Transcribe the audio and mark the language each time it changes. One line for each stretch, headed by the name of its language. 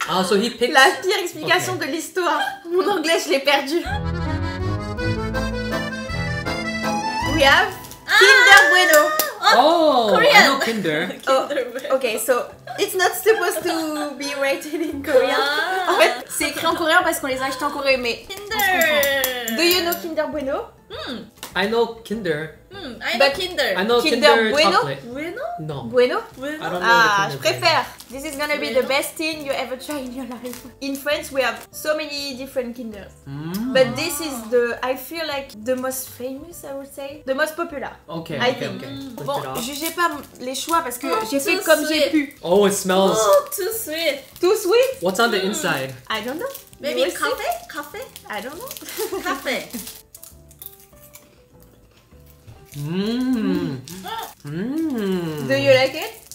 English: Ah, so he picks...
French: La pire explication de l'histoire. Mon anglais, je l'ai perdu.
English: We have Kinder Bueno. Korean. I know Kinder. Okay, so it's not supposed to be rated in Korean.
French: En fait, c'est écrit en coréen parce qu'on les a achetés en Corée, mais...
English: Kinder. Do you know Kinder Bueno? I know Kinder. I know Kinder. I know Kinder Bueno. Bueno? No. Bueno? I don't know
French: je préfère.
English: This is gonna be the best thing you ever try in your life. In France, we have so many different Kinders. But this is the, I feel like, the most famous, I would say. The most popular. Okay, I think.
French: Bon, jugez pas les choix parce que j'ai fait comme
English: sweet.
French: J'ai pu.
English: Oh, it smells. Oh, too sweet. Too sweet? What's on the inside? I don't know. Maybe coffee? I don't know. Coffee. Do you like it?